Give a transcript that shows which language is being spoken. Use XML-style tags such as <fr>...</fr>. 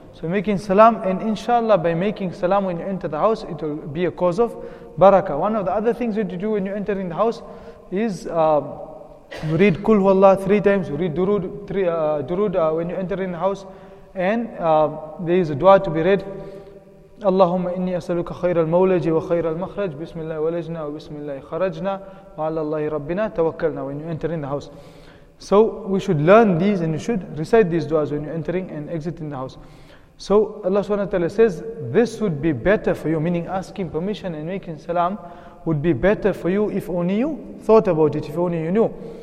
<en>So making salam, and inshallah, by making salam when you enter the house, it will be a cause of barakah. One of the other things that you do when you're entering the house is you read kul huwallah three times, you read durud when you enter in the house, and there is a dua to be read.</en> <ar>اللهم إني أسألك خير المولج وخير المخرج بسم الله ولجنا وبسم الله خرجنا وعلى الله ربنا توكلنا.</ar> <en>When you enter in the house, so we should learn these and you should recite these duas when you're entering and exiting the house. So Allah subhanahu wa ta'ala says, this would be better for you, meaning asking permission and making salam would be better for you if only you thought about it, if only you knew.</en>